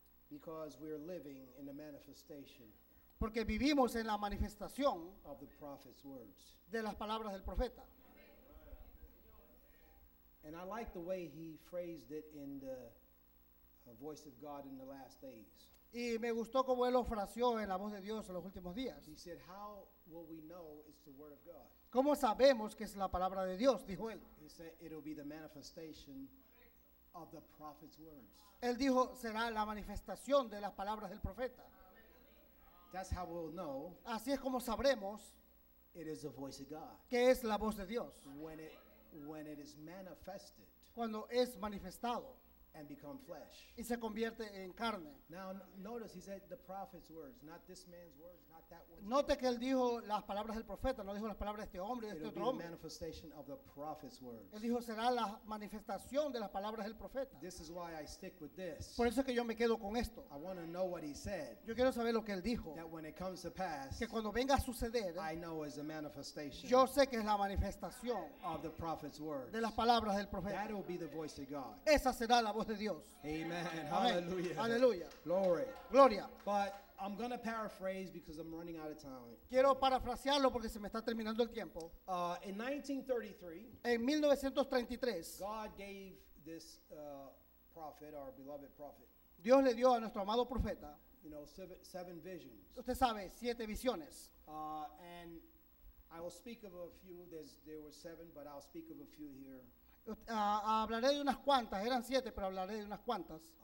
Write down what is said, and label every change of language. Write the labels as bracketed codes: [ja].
[en] Because we are living in the manifestation. [es] Porque vivimos en la manifestación [en] of the prophet's words. [es] De las palabras del profeta. [en] And I like the way he phrased it in the voice of God in the last days. [es] Y me gustó como él lo fraseó en la voz de Dios en los últimos días. [en] He said, how will we know it's the word of God? [es] ¿Cómo sabemos que es la palabra de Dios? Dijo él. [en] He said, it'll be the manifestation of the prophet's words. [es] Él dijo, será la manifestación de las palabras del profeta. [en] That's how we'll know. [es] Así es como sabremos. [en] It is the voice of God. [es] Que es la voz de Dios. [en] When it when it is manifested, [es] cuando es manifestado, [en] and become flesh, [es] y se convierte en carne. [en] Now notice, he said the prophet's words, not this man's words, not that one's. [es] Note que él dijo las palabras del profeta, no dijo las palabras de este hombre y de este otro hombre. [en] Manifestation of the prophet's words. [es] Él dijo será la manifestación de las palabras del profeta. [en] This is why I stick with this. [es] Por eso es que yo me quedo con esto. [en] I want to know what he said. [es] Yo quiero saber lo que él dijo. [en] That when it comes to pass, [es] que cuando venga a suceder, [en] I know is a manifestation. [es] Yo sé que es la manifestación [en] of the prophet's words. [es] De las palabras del profeta. [en] That will be the voice of God. [es] Esa será la voz de Dios. [en] Amen. Hallelujah. [es] Hallelujah. [en] Glory. [es] Gloria. [en] But I'm going to paraphrase because I'm running out of time. [es] Quiero parafrasearlo porque se me está terminando el tiempo. [en] In 1933, [es] en 1933, [en] God gave this prophet, our beloved prophet, [es] Dios le dio a nuestro amado profeta, [en] you know, seven visions. [es] Usted sabe, siete visiones. [en] And I will speak of a few. There were seven, but I'll speak of a few here. [es] Hablaré de unas cuantas, eran siete, pero hablaré de unas cuantas.